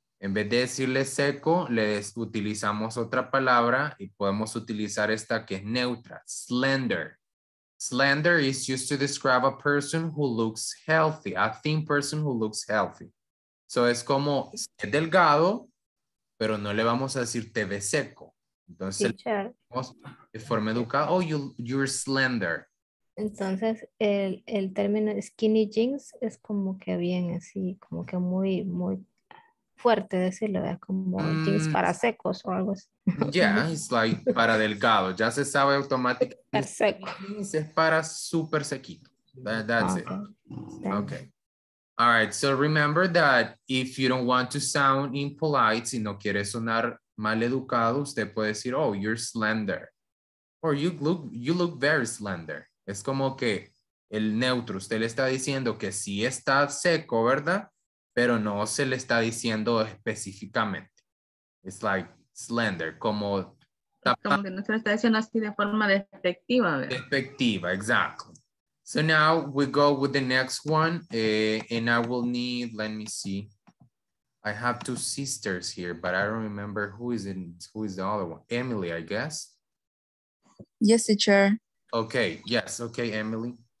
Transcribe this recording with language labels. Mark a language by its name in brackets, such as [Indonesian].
[Spanish] En vez de decirle seco, le utilizamos otra palabra y podemos utilizar esta que es neutra, slender. [English] Slender is used to describe a person who looks healthy, a thin person who looks healthy. [Spanish] So es como, es delgado, pero no le vamos a decir te ves seco. Entonces, sí, de forma educada, [English] oh, you're slender. [Spanish] Entonces, el término skinny jeans es como que bien así, como que muy, muy, fuerte decirlo, ¿verdad? Como jeans para secos o algo así. [English] Yeah, it's like [Spanish] para delgado. Ya se sabe automáticamente. Para seco. Es para súper sequito. [English] That's okay. It. Okay. All right, so remember that if you don't want to sound impolite, [Spanish] si no quiere sonar mal educado, [English] usted puede decir, oh, you're slender. Or you look very slender. [Spanish] Es como que el neutro, usted le está diciendo que sí está seco, ¿verdad? Pero no se le está diciendo específicamente. [English] It's like slender, [Spanish] como... Como que no se le está diciendo así de forma despectiva. ¿Verdad? [English] Despectiva, exactly. So now we go with the next one. And I will need, let me see. I have two sisters here, but I don't remember who is the other one. Emily, I guess. Yes, teacher. Okay, yes. Okay, Emily.